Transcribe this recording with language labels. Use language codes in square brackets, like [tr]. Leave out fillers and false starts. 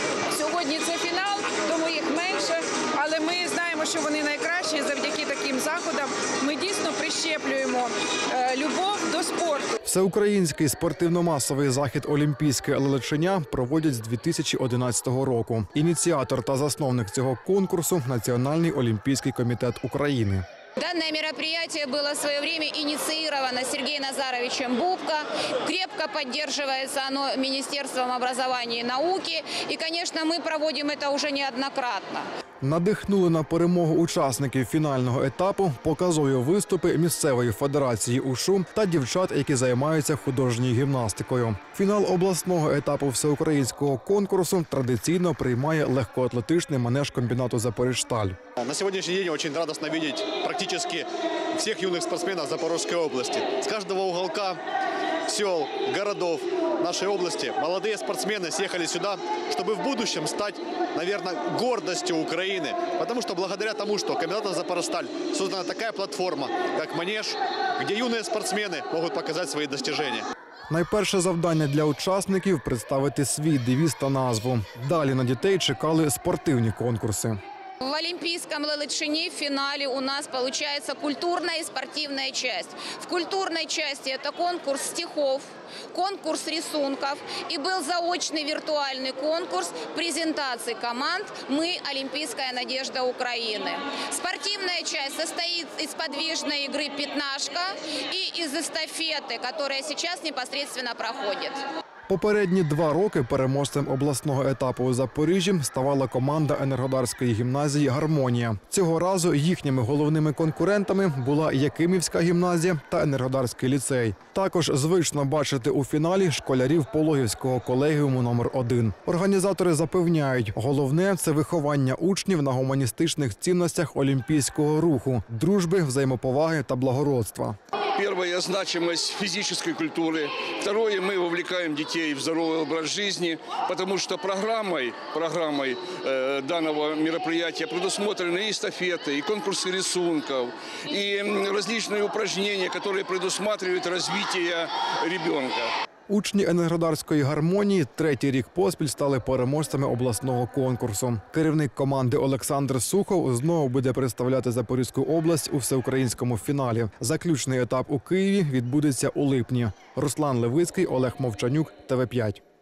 [uk] Сьогодні це фінал, тому їх менше, але ми знаємо, що вони найкращі завдяки таким заходам. Ми дійсно прищеплюємо любов до спорту. Всеукраїнський спортивно-масовий захід «Олімпійське лелечення» проводять з 2011 року. Ініціатор та засновник цього конкурсу – Національний олімпійський комітет України. [ru] Данное мероприятие было в свое время инициировано Сергеем Назаровичем Бубко. Крепко поддерживается оно Министерством образования и науки. И, конечно, мы проводим это уже неоднократно. [uk] Надихнули на перемогу учасників фінального етапу показові виступи місцевої федерації УШУ та дівчат, які займаються художньою гімнастикою. Фінал обласного етапу всеукраїнського конкурсу традиційно приймає легкоатлетичний манеж комбінату «Запоріжсталь». На сьогоднішній день дуже радісно бачити практично всіх юних спортсменів Запорізької області. З кожного уголка сіл, городов нашої області молоді спортсмени з'їхали сюди, щоб в майбутньому стати, мабуть, гордістю України. Тому що благодаря тому, що комбінатом «Запоріжсталь» створена така платформа, як манеж, де юні спортсмени можуть показати свої досягнення. Найперше завдання для учасників – представити свій девіз та назву. Далі на дітей чекали спортивні конкурси. [ru] В олимпийском лелечении в финале у нас получается культурная и спортивная часть. В культурной части это конкурс стихов, конкурс рисунков и был заочный виртуальный конкурс презентации команд «Мы – олимпийская надежда Украины». Спортивная часть состоит из подвижной игры «Пятнашка» и из эстафеты, которая сейчас непосредственно проходит. [uk] Попередні два роки переможцем обласного етапу у Запоріжжі ставала команда Енергодарської гімназії «Гармонія». Цього разу їхніми головними конкурентами була Якимівська гімназія та Енергодарський ліцей. Також звично бачити у фіналі школярів Пологівського колегіуму номер 1. Організатори запевняють, головне – це виховання учнів на гуманістичних цінностях олімпійського руху, дружби, взаємоповаги та благородства. [ru] Первое – значимость физической культуры. Второе – мы вовлекаем детей в здоровый образ жизни, потому что программой данного мероприятия предусмотрены и эстафеты, и конкурсы рисунков, и различные упражнения, которые предусматривают развитие ребенка. [uk] Учні Енергодарської гармонії третій рік поспіль стали переможцями обласного конкурсу. Керівник команди Олександр Сухов знову буде представляти Запорізьку область у всеукраїнському фіналі. Заключний етап у Києві відбудеться у липні. Руслан Левицький, Олег Мовчанюк, ТВ5.